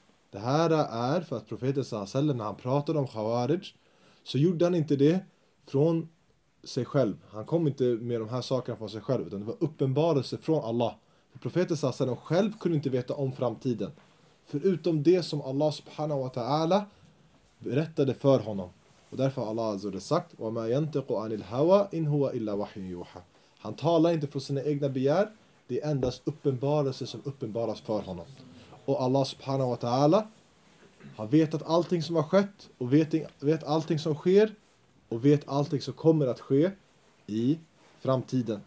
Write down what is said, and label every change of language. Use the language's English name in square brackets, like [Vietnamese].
[Swedish] Det här är för att profeten sallallahu alaihi wasallam när han pratade om Khawarij så gjorde han inte det från sig själv. Han kom inte med de här sakerna från sig själv utan det var uppenbarelse från Allah. Profeten sallallahu alaihi wasallam själv kunde inte veta om framtiden. Förutom det som Allah subhanahu wa ta'ala berättade för honom. Och därför har Allah azza wa jalla sagt [Arabic] وَمَا يَنْتِقُ عَنِ الْهَوَى إِنْ هُوَ إِلَّا وَحْيٌ يُوحَى. [Swedish] Han talar inte från sina egna begär. Det är endast uppenbarelse som uppenbaras för honom. Och Allah subhanahu wa ta'ala har vetat allting som har skett och vet allting som sker och vet allting som kommer att ske i framtiden.